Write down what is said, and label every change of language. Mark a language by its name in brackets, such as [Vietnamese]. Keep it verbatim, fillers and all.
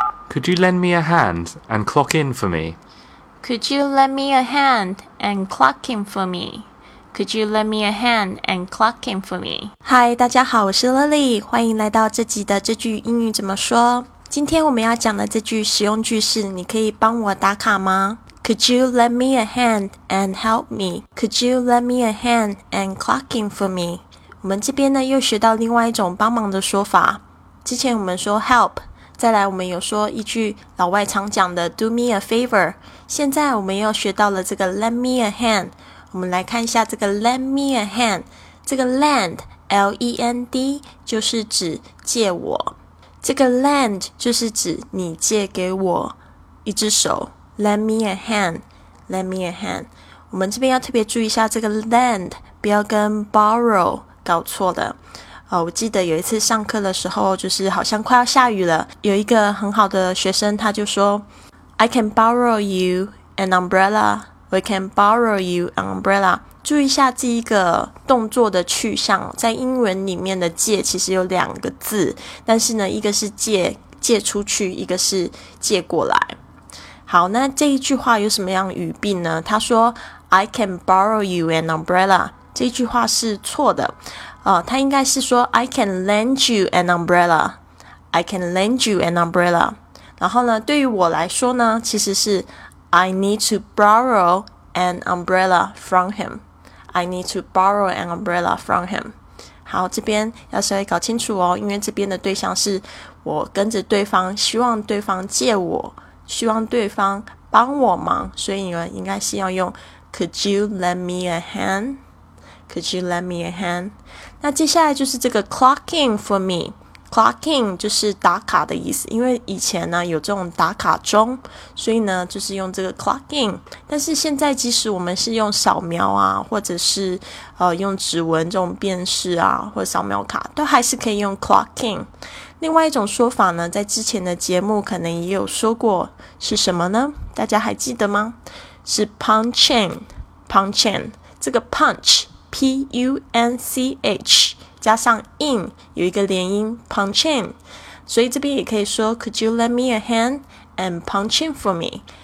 [English] Could you lend me a hand and clock in for me? Could you lend me a hand and clock in for me? Could you lend me a hand and clock in for me? [Chinese] 嗨，大家好，我是 Lily， 欢迎来到这集的这句英语怎么说。今天我们要讲的这句实用句是你可以帮我打卡吗？ [English] Could you lend me a hand and help me? Could you lend me a hand and clock in for me? [Chinese] 我们这边呢又学到另外一种帮忙的说法。之前我们说 help， 再来我们有说一句老外常讲的 [English] do me a favor， [Chinese] 现在我们又学到了这个 lend me a hand。我们来看一下这个 lend me a hand， 这个 lend L E N D 就是指借我，这个 lend 就是指你借给我一只手。 [English] lend me a hand lend me a hand [Chinese] 我们这边要特别注意一下这个 lend， 不要跟 borrow 搞错了。哦，我记得有一次上课的时候，就是好像快要下雨了，有一个很好的学生他就说 [English] I can borrow you an umbrella， [Chinese] We can borrow you an umbrella。注意一下这一个动作的去向，在英文里面的借其实有两个字，但是呢一个是借借出去，一个是借过来。好，那这一句话有什么样的语病呢？ [English] 他说 I can borrow you an umbrella， [Chinese] 这一句话是错的，呃，他应该是说 [English] I can lend you an umbrella， I can lend you an umbrella。 [Chinese] 然后呢对于我来说呢，其实是 [English] I need to borrow an umbrella from him. I need to borrow an umbrella from him. [Chinese] 好，这边要稍微搞清楚哦，因为这边的对象是我跟着对方，希望对方借我，希望对方帮我忙，所以你们应该是要用 [English] Could you lend me a hand? Could you lend me a hand? [Chinese] 那接下来就是这个 [English] clock in for me。 [Chinese] Clock in 就是打卡的意思，因为以前呢有这种打卡钟，所以呢就是用这个 clock in。但是现在即使我们是用扫描啊，或者是呃用指纹这种辨识啊，或者扫描卡，都还是可以用 clock in。另外一种说法呢，在之前的节目可能也有说过，是什么呢？大家还记得吗？ [English] 是 punch in punch in 这个 punch P U N C H加上 in 有一个连音 punch in， [Chinese] 所以这边也可以说 [English] Could you lend me a hand and punch in for me?